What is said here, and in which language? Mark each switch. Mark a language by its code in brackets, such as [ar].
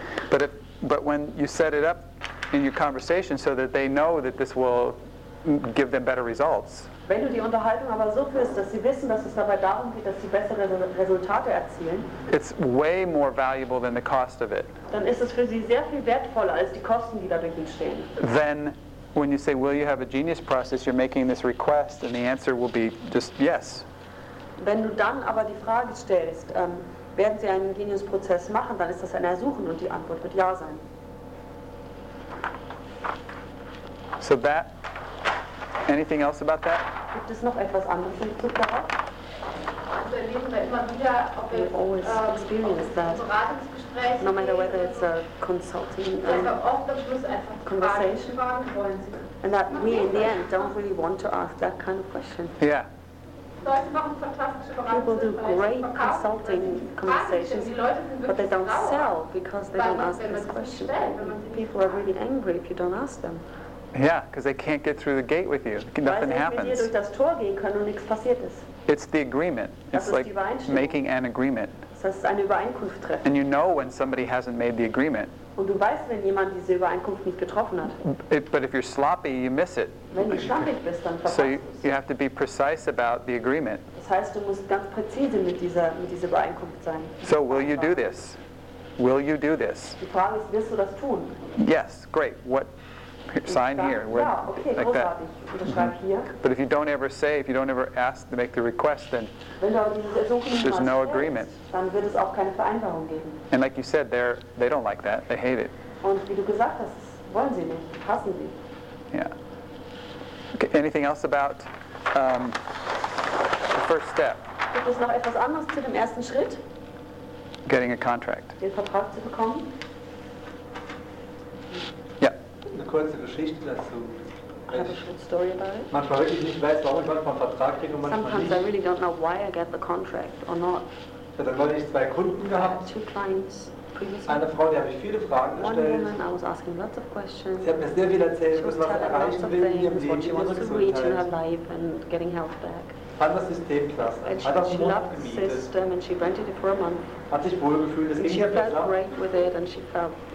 [en] But when you set it up in your conversation so that they know that this will give them better results. [de] Wenn du die Unterhaltung aber so führst, dass sie wissen, dass es dabei darum geht, dass sie bessere Resultate erzielen. [en] It's way more valuable than the cost of it. [de] Dann ist es für sie sehr viel wertvoller als die Kosten, die dadurch entstehen. [en] Then when you say, will you have a genius process, you're making this request and the answer will be just yes. [de] Wenn du dann aber die Frage stellst, werden sie einen genius Prozess machen, dann ist das ein Ersuchen und die Antwort wird ja sein. [en] So that. Anything else about that? [de] Gibt es noch etwas anderes in Bezug darauf? Also erleben wir immer wieder, ob wir Beratungsgespräche, [en] no matter whether it's a consulting, conversation, and that we in the end don't really want to ask that kind of question. Yeah. People do great consulting conversations, but they don't sell because they don't ask this question. People are really angry if you don't ask them. Yeah, because they can't get through the gate with you. Nothing happens. It's the agreement. It's like making an agreement. [de] Das heißt, eine Übereinkunft treffen. [en] And you know when somebody hasn't made the agreement. [de] Und du weißt, wenn jemand diese Übereinkunft nicht getroffen hat. [en] But if you're sloppy, you miss it. [de] Wenn du schlampig bist, dann verpasst du es. [en] So you have to be precise about the agreement. [de] Das heißt, du musst ganz präzise mit dieser Übereinkunft sein. [en] So will you do this? Will you do this? [de] Die Frage ist, wirst du das tun? [en] Yes, great. What? Sign here. [de] Ja, okay, [en] like that. [de] Hier. [en] But if you don't ever say, if you don't ever ask to make the request, then there's no agreement. [de] Dann wird es auch keine Vereinbarung geben. [en] And like you said, they don't like that. They hate it. [de] Und wie du gesagt hast, wollen sie nicht, hassen sie. [en] Yeah. Okay, anything else about the first step? [de] Gibt es noch etwas anderes zu dem ersten Schritt? [en] Getting a contract. [de] Den Vertrag zu bekommen. Eine kurze Geschichte dazu. Weil ich habe wirklich nicht weiß, warum ich manchmal einen Vertrag kriege und manchmal [en] sometimes [de] nicht. [en] Sometimes I really don't know why I get the contract or not. [de] Ja, dann habe ich zwei Kunden gehabt. [en] Two clients. [de] Eine Frau, die habe ich viele Fragen gestellt. [en] One woman, I was asking lots of questions. [de] Sie hat mir sehr viel erzählt, was sie erreichen will in ihrem Leben, ihre Gesundheit. [en] In her life and getting health back. [de] Fand das System klasse. [en] And [de] hat auch einen Monat gemietet. [en] She loved the system and she rented it for a month. [de] Hat sich wohl gefühlt, es ging ihr besser. [en] She felt great with it and she felt.